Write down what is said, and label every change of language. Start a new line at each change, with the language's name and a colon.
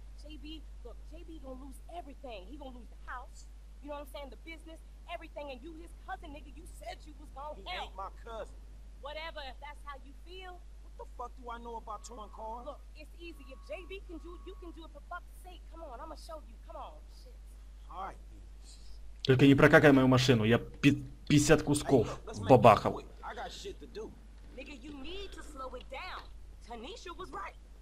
English: JB, look, JB gonna lose everything. He gonna lose the house, you know what I'm saying, the business, everything, and you his cousin, nigga, you said you was gonna help. He ain't my cousin. Whatever, if that's how you feel. What the fuck do I know about towing cars? Look, it's easy. If JB can do it, you can do it for fuck's sake. Come on, I'ma show you. Come on, shit. All right, bitch.
Russian: Только не прокакай мою машину, я 50 кусков бабахал.
English: Hey, look, I got shit to do. Nigga, you need to slow it down. Tanisha was right.